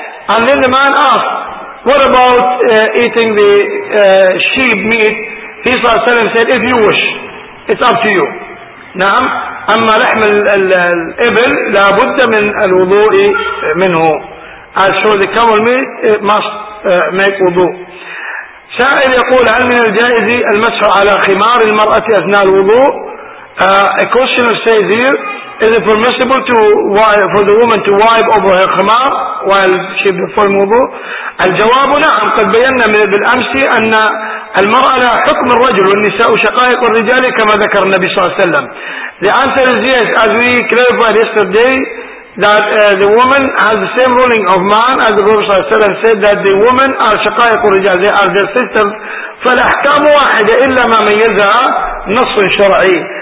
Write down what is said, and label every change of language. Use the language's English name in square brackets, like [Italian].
[English] And then the man asked, what about eating the sheep meat? He صلى الله عليه وسلم said, if you wish, it's up to you. [Arabic] نعم، أما لحم الإبل لا بد من الوضوء منه. So the camel meat must make wudu. سائل يقول هل من الجائز المسح على خمار المرأة أثناء الوضوء؟ [English] A questioner says here, is it permissible for the woman to wipe over her khimar while she performs wudu? [Arabic] الجواب نعم، قد بينا من بالأمس أن المرأة لا حكم الرجل، والنساء شقائق الرجال كما ذكر النبي صلى الله عليه وسلم. [English] The answer is yes, as we clarified yesterday, that the woman has the same ruling of man, as the Prophet صلى الله عليه وسلم said that the women are [Arabic] شقائق الرجال, [English] they are their sisters. [Arabic] فالأحكام واحدة إلا ما ميزها نص شرعي.